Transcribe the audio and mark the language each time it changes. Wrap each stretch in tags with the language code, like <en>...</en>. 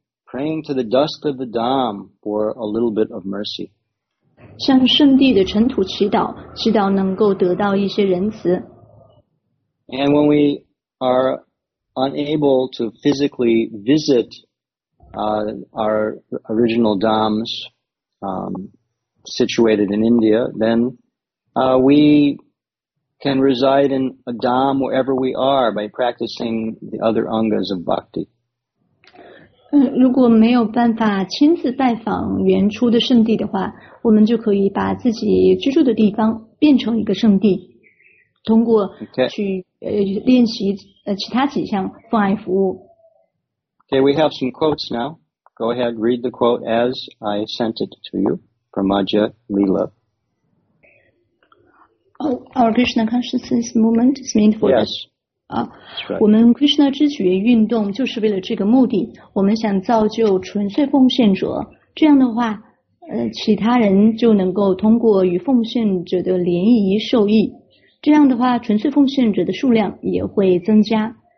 <en>Praying to the dust of the Dham for a little bit of mercy.</en> <zh>向圣地的尘土祈祷，祈祷能够得到一些仁慈。</zh> <en>And when we are unable to physically visit our original dhams situated in India, then we can reside in a dham wherever we are by practicing the other angas of bhakti.</en> <zh>如果没有办法亲自拜访原初的圣地的话，我们就可以把自己居住的地方变成一个圣地，通过去练习其他几项奉爱服务。</zh> <en>Okay, we have some quotes now. Go ahead, read the quote as I sent it to you from Maja Lila. Oh, our Krishna consciousness movement is meant for yes.</en> <zh>我们 Krishna 之觉运动就是为了这个目的，我们想造就纯粹奉献者，这样的话其他人就能够通过与奉献者的联谊受益，这样的话纯粹奉献者的数量也会增加。</zh>